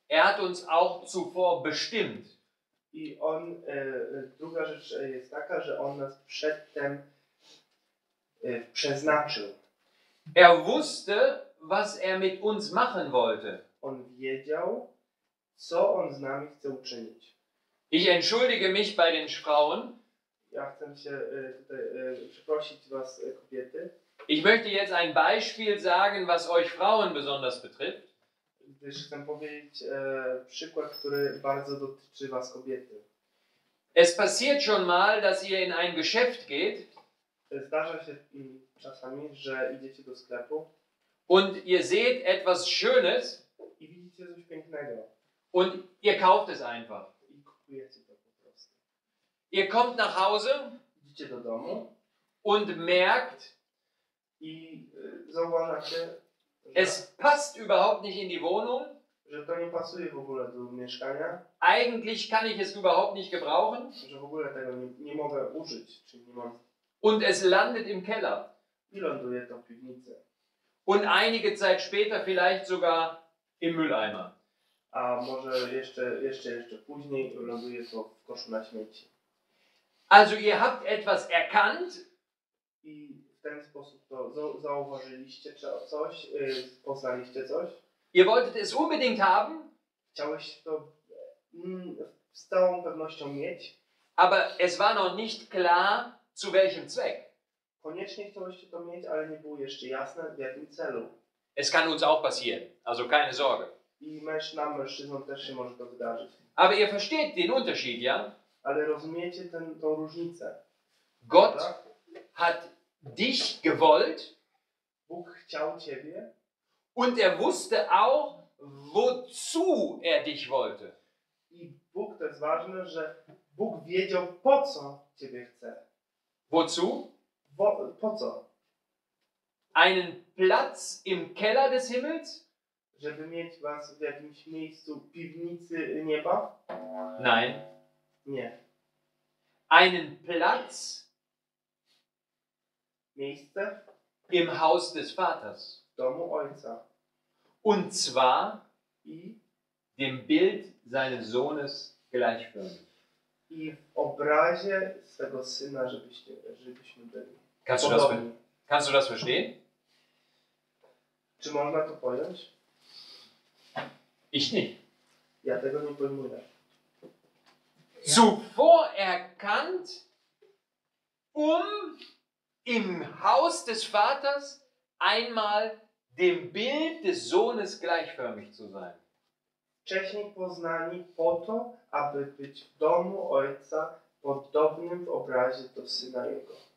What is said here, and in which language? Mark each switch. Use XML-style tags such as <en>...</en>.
<de>er hat uns auch zuvor bestimmt.</de> <pl>I on, druga rzecz jest taka, że on nas przedtem przeznaczył.</pl> <de>Er wusste, was er mit uns machen wollte.</de> <pl>On wiedział, co on z nami chce uczynić.</pl> <de>Ich entschuldige mich bei den Frauen.</de> <pl>Ja chcę się tutaj przeprosić was, kobiety.</pl> <de>Ich möchte jetzt ein Beispiel sagen, was euch Frauen besonders betrifft.</de> <pl>Gdyż chcę powiedzieć przykład, który bardzo dotyczy was, kobiety.</pl> <de>Es passiert schon mal, dass ihr in ein Geschäft geht.</de> <pl>Zdarza się czasami, że idziecie do sklepu.</pl> <de>Und ihr seht etwas Schönes.</de> <pl>I widzicie coś pięknego.</pl> <de>Und ihr kauft es einfach.</de> <pl>I kupujecie to po prostu.</pl> <de>Ihr kommt nach Hause.</de> <pl>Idziecie do domu.</pl> <de>Und merkt.</de> <pl>I zauważacie.</pl> <de>Es passt überhaupt nicht in die Wohnung.</de> <pl>Że to nie pasuje w ogóle do mieszkania.</pl> <de>Eigentlich kann ich es überhaupt nicht gebrauchen.</de> <pl>Że w ogóle tego nie mogę użyć. Czyli nie mam.</pl> <de>Und es landet im Keller.</de> <pl>I ląduje to w piwnicy.</pl> <de>Und einige Zeit später vielleicht sogar im Mülleimer.</de> <pl>A może jeszcze później ląduje to w koszu na śmieci.</pl> <de>Also ihr habt etwas erkannt.</de> <pl>I w ten sposób to zauważyliście coś, poznaliście coś.</pl> <de>Ihr wolltet es unbedingt haben.</de> <pl>Chciałeś to z całą pewnością mieć.</pl> <de>Aber es war noch nicht klar, zu welchem Zweck.</de> <pl>Koniecznie chcieliście to mieć, ale nie było jeszcze jasne, w jakim celu.</pl> <de>Es kann uns auch passieren, also keine Sorge.</de> <pl>I mężczyznom, mężczyznom też się może to wydarzyć.</pl> <de>Aber ihr versteht den Unterschied, ja?</de> <pl>Ale rozumiecie ten, tą różnicę.</pl> <de>Gott hat dich gewollt.</de> <pl>Bóg chciał ciebie.</pl> <de>Und wusste auch, wozu dich wollte.</de> <pl>I Bóg, to jest ważne, że Bóg wiedział, po co ciebie chce.</pl> <de>Wozu?</de> <pl>Po co?</pl> <de>Einen Platz im Keller des Himmels?</de> <pl>Żeby mieć was w jakimś miejscu piwnicy nieba?</pl> <de>Nein.</de> <pl>Nie.</pl> <de>Einen Platz?</de> <pl>Miejsce?</pl> <de>Im Haus des Vaters.</de> <pl>Domu Ojca.</pl> <de>Und zwar</de> <pl>i</pl> <de>dem Bild seines Sohnes gleichförmig.</de> <pl>I w obrazie swego Syna, żebyśmy byli.</pl> <de>Kannst du das verstehen?</de> <pl>Czy można to pojąć?</pl> <de>Ich nicht.</de> <pl>Ja tego nie pojmuję.</pl> <de>Zuvor erkannt, im Haus des Vaters einmal dem Bild des Sohnes gleichförmig zu sein.</de> <pl>Wcześniej poznani po to, aby być w domu Ojca podobnym w obrazie do Syna Jego.</pl>